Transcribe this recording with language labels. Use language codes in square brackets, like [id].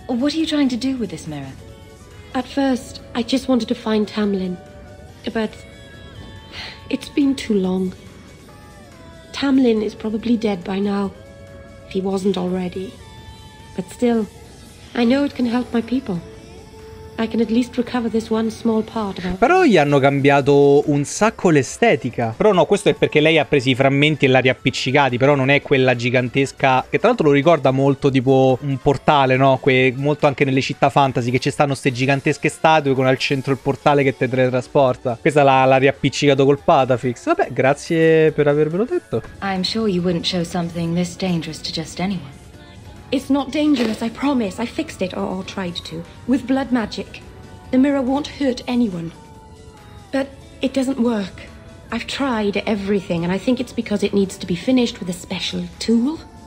[en] What are you trying to do with this mirror? At first, I just wanted to find Tamlin, but it's been too long. Tamlin is probably dead by now, if he wasn't already. But still, I know it can help my people. I can at least recover this one small part of our... [it] Però gli hanno cambiato un sacco l'estetica. Però no, questo è perché lei ha preso i frammenti e l'ha riappiccicati, però non è quella gigantesca, che tra l'altro lo ricorda molto tipo un portale, no? Molto anche nelle città fantasy, che ci stanno queste gigantesche statue con al centro il portale che te teletrasporta. Questa l'ha riappiccicato col patafix. Vabbè, grazie per avermelo detto. [en] I'm sure you wouldn't show something this dangerous to just anyone. It's not dangerous, I promise. I fixed it, or tried to, with blood magic. The mirror won't hurt anyone. But it doesn't work. I've tried everything, and I think it's because it needs to be finished with a special tool.